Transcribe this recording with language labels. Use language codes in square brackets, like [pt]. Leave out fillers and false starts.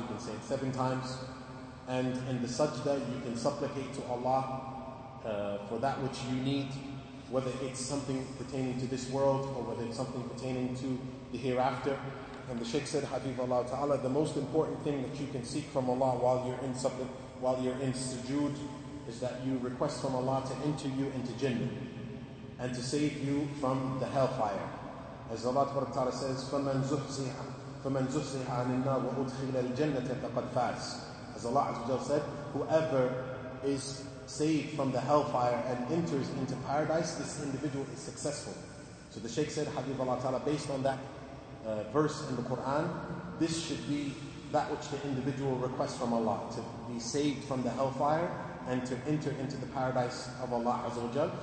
[en] You can say it seven times. And in the sajda, you can supplicate to Allah for that which you need, whether it's something pertaining to this world or whether it's something pertaining to the hereafter. And the Shaykh said, Habiballah Ta'ala, the most important thing that you can seek from Allah while you're in something, while you're in sujood, is that you request from Allah to enter you into Jannah and to save you from the hellfire. [ar] As Allah Ta'ala says, فَمَنْ زُحْزِحَ عَنِ النَّارِ وَأُدْخِلَ الْجَنَّةَ فَقَدْ فَازَ. [en] As Allah Azzawajal said, whoever is saved from the hellfire and enters into paradise, this individual is successful. So the Shaykh said, Habiballah Ta'ala, based on that verse in the Quran, this should be that which the individual requests from Allah, to be saved from the hellfire and to enter into the paradise of Allah Azza wa Jal.